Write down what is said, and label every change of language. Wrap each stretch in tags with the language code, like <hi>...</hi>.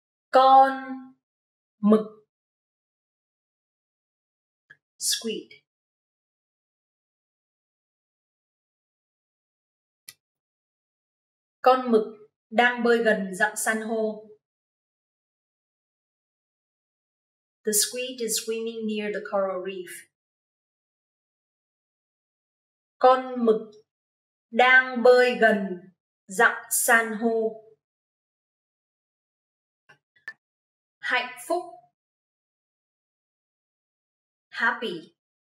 <vi>Con mực.</vi> <en>Squid.</en> <vi>Con mực đang bơi gần rặng san hô.</vi> <en>The squid is swimming near the coral reef.</en> <vi>Con mực đang bơi gần rặng san hô. Hạnh phúc.</vi> <en>Happy.</en>